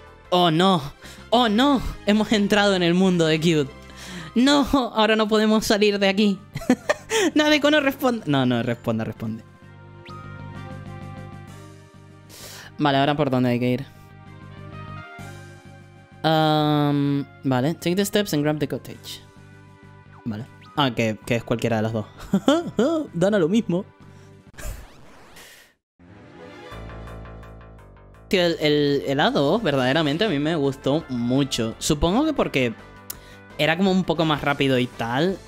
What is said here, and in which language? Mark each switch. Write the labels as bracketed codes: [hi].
[es] ¡Oh, no! ¡Oh, no! Hemos entrado en el mundo de Cute. ¡No! Ahora no podemos salir de aquí. Nadeko no responde. No responde. Vale, ahora por dónde hay que ir. [en] Vale, take the steps and grab the cottage. [es] Vale. Ah, que es cualquiera de las dos. Dan a lo mismo. El A2, verdaderamente, a mí me gustó mucho. Supongo que porque era como un poco más rápido y tal.